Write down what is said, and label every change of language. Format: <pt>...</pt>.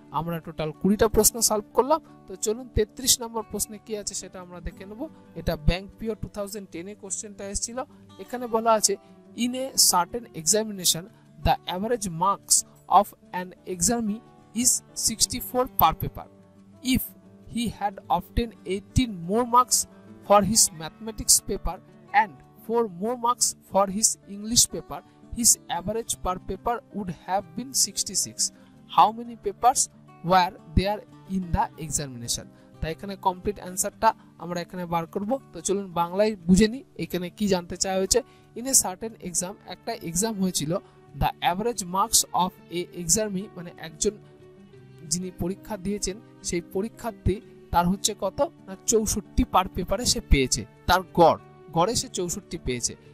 <bn>আমরা টোটাল 20টা প্রশ্ন সলভ করলাম, তো চলুন 33 নম্বর প্রশ্নে কি আছে সেটা আমরা দেখে নেব। এটা ব্যাংক পিও 2010 এ কোশ্চেনটা এসেছিল। এখানে বলা আছে</bn> <en>In a certain examination the average marks of an examinee is 64 per paper. If he had obtained 18 more marks for his mathematics paper and 4 more marks for his English paper, his average per paper would have been 66. How many papers were there in the examination?</en> <bn>তাই এখানে complete অ্যান্সারটা আমরা এখানে বার করব। তো চলুন বাংলায় বুঝে নিই এখানে কি জানতে চাওয়া হয়েছে।</bn> <en>in a certain exam,</en> <bn>একটা এক্সাম হয়েছিল,</bn> <en>the average marks of a examinee</en> <bn>মানে একজন যিনি পরীক্ষা দিয়েছেন সেই পরীক্ষার্থী তার হচ্ছে কত না 64 পার পেপারে সে পেয়েছে, তার গড়ে সে 64 পেয়েছে।</bn>